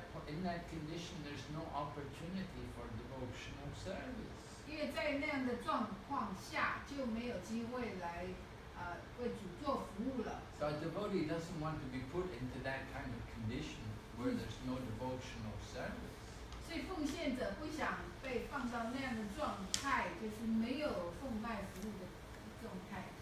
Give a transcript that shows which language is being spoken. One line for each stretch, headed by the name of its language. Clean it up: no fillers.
English: in that condition, there's no opportunity for devotional service.
Chinese: 因为在那样的状况下，就没有机会来为主做服务了。
English: So a devotee doesn't want to be put into that kind of condition where there's no devotional service.
Chinese: 所以奉献者不想被放到那样的状态，就是没有奉爱服务的状态。